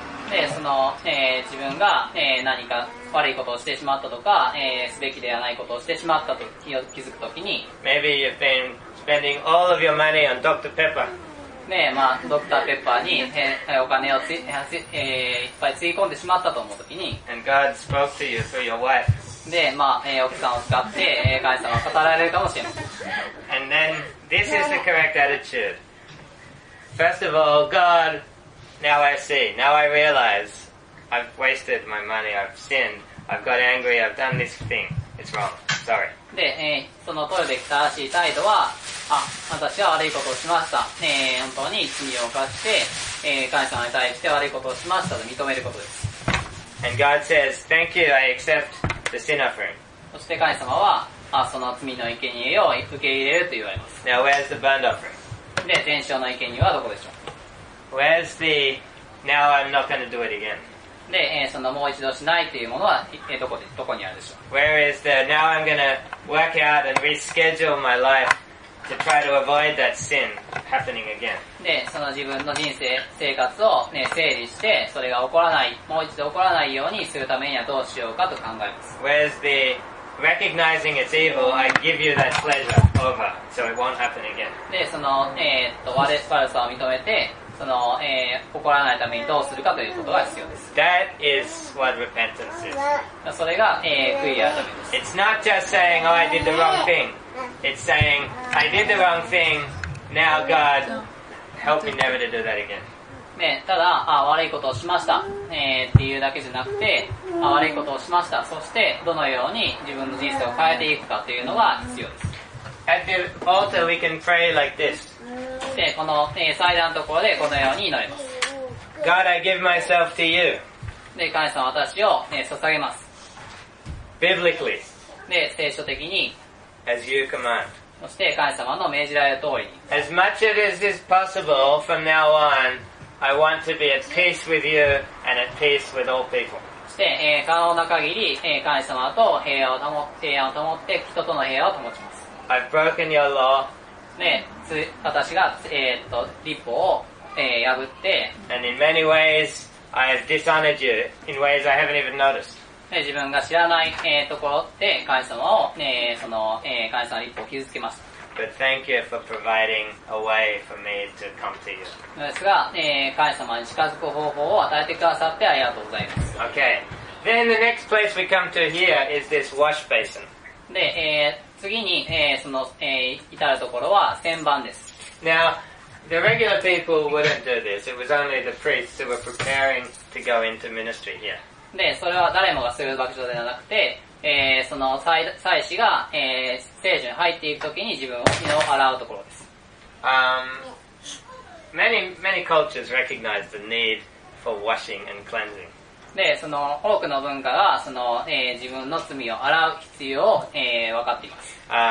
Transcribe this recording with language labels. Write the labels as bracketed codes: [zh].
[ja] で、その、自分が、何か悪いことをしてしまったとか、すべきではないことをしてしまったと気づくときに、 [en] Maybe you've been spending all of your money on Dr. Pepper。 [ja] ね、まあ、ドクターペッパーに、お金をつい、いっぱいつぎ込んでしまったと思うときに、 [en] And God spoke to you through your wife。 [ja] で、まあ、奥さんを使って、神様が語られるかもしれません。 [en] And then, this is the correct attitude. First of all, GodNow I see, now I realize I've wasted my money, I've sinned, I've got angry, I've done this thing. It's wrong. Sorry. [ja] で、その取るべき正しい態度は、あ、私は悪いことをしました。本当に罪を犯して、神様に対して悪いことをしましたと認めることです。 [en] And God says, thank you, I accept the sin offering. [ja] そして神様は、あ、その罪の生贄を受け入れると言われます。 [en] Now where's the burnt offering? [ja] で、全焼の生贄はどこでしょう？ [en] Where's the now I'm not going to do it again? [ja] で、そのもう一度しないというものは、どこにあるでしょう。 [en] Where is the now I'm going to work out and reschedule my life to try to avoid that sin happening again? [ja] で、その自分の人生、生活を、ね、整理して、それが起こらない、もう一度起こらないようにするためにはどうしようかと考えます。 [en] Where's the recognizing its evil, I give you that pleasure over so it won't happen again? [ja] で、その、悪さを認めて、その、怒らないためにどうするかということが必要です。 [en] That is what repentance is. [ja] それが、悔い改めです。 [en] It's not just saying, oh, I did the wrong thing. It's saying, I did the wrong thing. Now, God, help me never to do that again. [ja] ね、ただ、あ、悪いことをしました、っていうだけじゃなくて、あ、悪いことをしました。そして、どのように自分の人生を変えていくかというのが必要です。 [en] At the altar, we can pray like this. [ja] で、この、祭壇のところでこのように祈ります。 [en] God, I give myself to you. [ja] で、神様私を、捧げます。 [en] Biblically. [ja] で、聖書的に。 [en] As you command. [ja] そして神様の命じられる通りに。 [en] As much as is possible from now on, I want to be at peace with you and at peace with all people. [ja] そして、可能な限り、神様と平安を保って人との平和を保ちます。 [en] I've broken your law. [ja] ね、私が、立法を、破って、 [en] And in many ways, I have dishonored you in ways I haven't even noticed. [ja] 自分が知らない、ところで、神様を、神様の立法を傷つけました。 [en] But thank you for providing a way for me to come to you. [ja] ですが、神様に近づく方法を与えてくださってありがとうございます。 [en] Okay. Then the next place we come to here is this wash basin. [ja] で、次に、その、至るところは洗盤です。 [en] Now, the regular people wouldn't do this. It was only the priests who were preparing to go into ministry here. [ja] で、それは誰もがする場所ではなくて、その祭司が、聖所に入っていくときに自分を身を洗うところです。 [en] Many cultures recognize the need for washing and cleansing. [ja] で、その多くの文化がその、自分の罪を洗う必要を、分かっています。